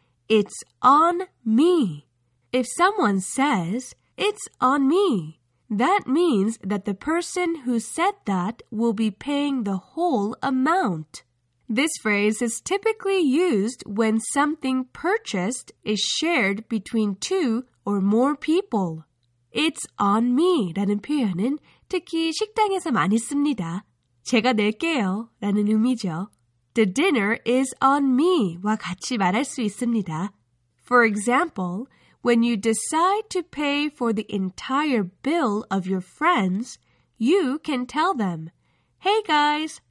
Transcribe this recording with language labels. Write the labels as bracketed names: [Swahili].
[English] it's on me if someone says it's on me that means that the person who said that will be paying the whole amount This phrase is typically used when something purchased is shared between two or more people. It's on me [Korean] 라는 표현은 특히 식당에서 많이 씁니다. 제가 낼게요 라는 의미죠. [English] The dinner is on me [Korean] 와 같이 말할 수 있습니다. [English] For example, when you decide to pay for the entire bill of your friends, you can tell them, Hey guys!